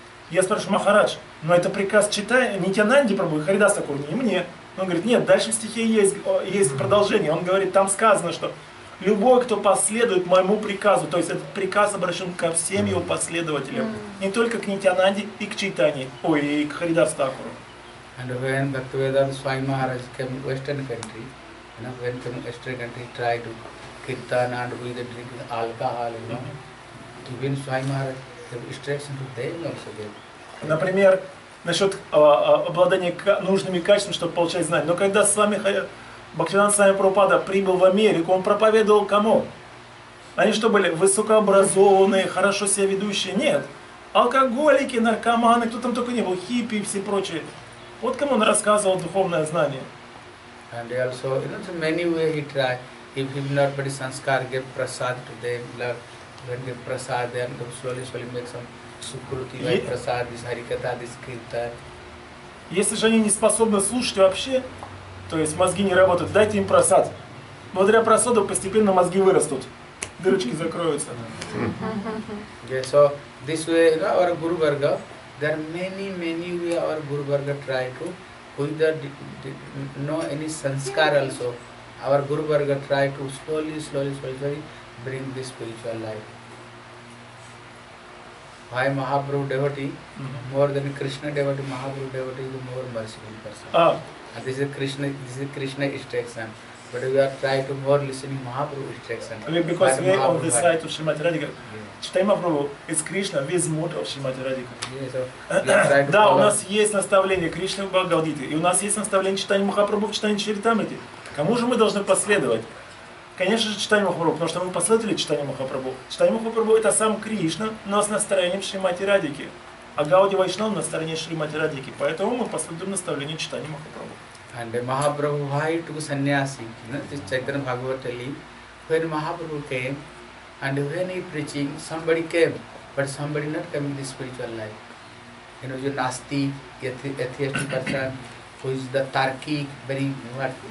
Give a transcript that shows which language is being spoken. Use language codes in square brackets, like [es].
[ru] Я спрашиваю, Махарадж, но это приказ читай Нитянанде Прабху и Харидас Такур, не мне. Он говорит, нет, дальше в стихе есть продолжение. Он говорит, там сказано, что любой, кто последует моему приказу, то есть этот приказ обращен ко всем его последователям, не только к Нитянанде и к Чайтанье, ой, и к Харидас Такуру. [en] And when Bhaktivedanta Swami Maharaj came to Western country, you know, when came to Western country, he tried to kirtan and with the drink the alcohol, you know, even Swami Maharaj, the instruction to them also gave. [ru] Например, насчет обладания нужными качествами, чтобы получать знания. Но когда Бхактивинода Свами Прабхупада прибыл в Америку, он проповедовал кому? Они что были, высокообразованные, хорошо себя ведущие? Нет. Алкоголики, наркоманы, кто там только не был, хиппи и все прочие. Вот кому он рассказывал духовное знание. [en] And also, you know, there many way he try. If he not body sanskar, give prasad to them, love, give prasad, then slowly, slowly make some sukruti, like prasad, this harikata, this kirta. [ru] Если же они не способны слушать вообще, то есть мозги не работают, дайте им прасад. Благодаря прасаду постепенно мозги вырастут, дырочки закроются. [en] Yeah, so this way, you know, our Guru Varga, there are many, many way our Guru Varga try to, without know any sanskar also, our Guru Varga try to slowly, slowly, slowly, slowly bring this spiritual life. Why Mahaprabhu devotee, more than Krishna devotee, Mahaprabhu devotee is a more merciful person. This is Krishna instruction, but we are trying to more listen to Mahaprabhu instruction. Because we on the side of Srimati Radhika. Читай Махапрабху, is Krishna with mode of Srimati Radhika. [ru] Да, у нас есть наставление Кришны в Бхагавад-гите, и у нас есть наставление читания Махапрабху в читании Чаритамрити. Кому же мы должны последовать? Конечно же, читание Махапрабху, потому что мы последовали читанию Махапрабху. Читание Махапрабху это сам Кришна, но с настроением Шримати Радики. А Гауди Вайшнав на стороне Шримати Радики. Поэтому мы последуем наставление читания Махапрабху. [en] And Mahaprabhu, why he took sannyasi? This Chaitanya Bhagavat telling, when Mahaprabhu came, and when he preaching, somebody came, but somebody not came in the spiritual life. You know, you're nasty, atheist person, who is the tarkic, very, what?